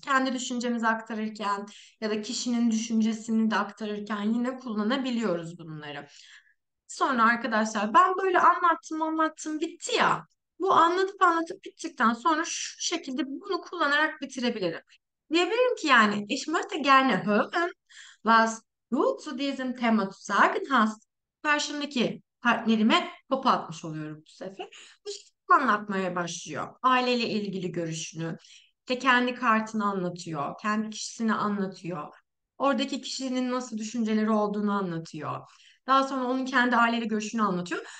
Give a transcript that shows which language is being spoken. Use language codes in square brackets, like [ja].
[tr] Kendi düşüncemizi aktarırken ya da kişinin düşüncesini de aktarırken yine kullanabiliyoruz bunları. Sonra arkadaşlar ben böyle anlattım anlattım bitti ya. Bu anlatıp bittikten sonra şu şekilde bunu kullanarak bitirebilirim. Diyebilirim ki yani [de] ich möchte gerne hören was du zu diesem Thema zu sagen hast. [tr] Karşımdaki partnerime topu atmış oluyorum bu sefer. Bu şekilde anlatmaya başlıyor. Aileyle ilgili görüşünü, işte kendi kartını anlatıyor, kendi kişisini anlatıyor. Oradaki kişinin nasıl düşünceleri olduğunu anlatıyor. Daha sonra onun kendi aileyle görüşünü anlatıyor.